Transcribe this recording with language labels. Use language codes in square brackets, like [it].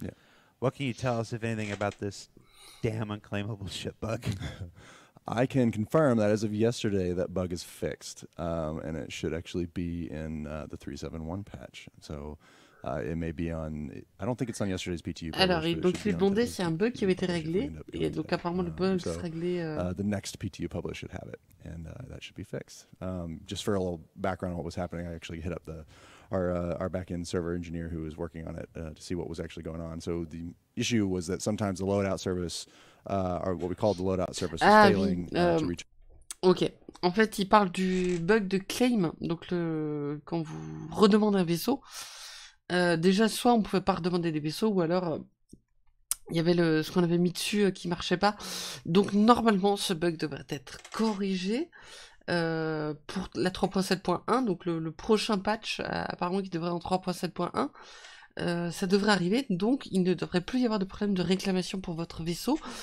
[en] Yeah. What can you tell us, if anything, about this damn unclaimable ship bug? I can confirm that as of yesterday, that bug is fixed, and it should actually be in the 3.7.1 patch. So it may be on. I don't think it's on yesterday's PTU. [fr] Alors, publish, donc c'est bondé, c'est un bug qui avait été réglé, et donc apparemment le bug s'est réglé. [en] The next PTU publish should have it, and that should be fixed. Just for a little background on what was happening, I actually hit up our back-end server engineer who was working on it to see what was actually going on. So the issue was that sometimes the loadout service, or what we called the loadout service, was failing to reach. Ok. [fr] En fait, il parle du bug de claim. Donc, quand vous redemandez un vaisseau, déjà, soit on ne pouvait pas redemander des vaisseaux, ou alors il y avait ce qu'on avait mis dessus qui ne marchait pas. Donc, normalement, ce bug devrait être corrigé. Pour la 3.7.1, donc le prochain patch, apparemment qui devrait être en 3.7.1, ça devrait arriver, donc il ne devrait plus y avoir de problème de réclamation pour votre vaisseau.